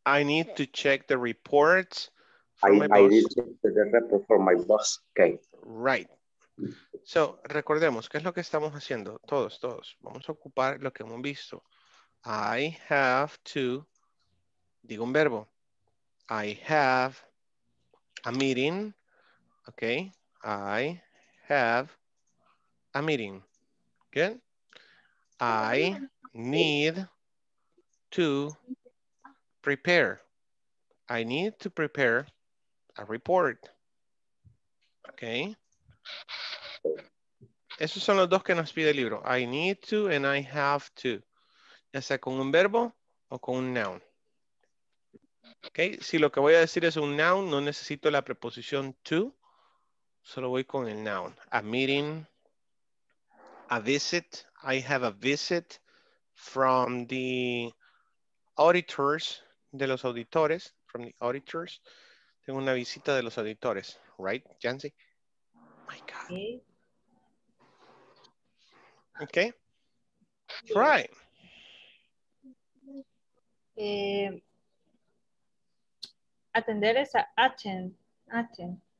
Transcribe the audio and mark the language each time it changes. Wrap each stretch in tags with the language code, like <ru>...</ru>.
<en>I need to check the reports for my boss. I need to check the report for my boss. Okay. Right.</en> <es>So, recordemos, ¿qué es lo que estamos haciendo? Todos, todos. Vamos a ocupar lo que hemos visto.</es> <en>I have to,</en> <es>digo un verbo.</es> <en>I have a meeting. Okay. I have a meeting. Good. I need to prepare. I need to prepare a report. Okay.</en> <es>Esos son los dos que nos pide el libro.</es> <en>I need to and I have to.</en> <es>Ya sea con un verbo o con un noun. Okay. Si lo que voy a decir es un noun, no necesito la preposición to. Solo voy con el noun.</es> <en>A meeting. A visit. I have a visit from the auditors,</en> <es>de los auditores,</es> <en>from the auditors.</en> <es>Tengo una visita de los auditores, right, Jancy?</es> <en>My God. Okay. Try.</en> <es>Atender es attend. Attend.</es>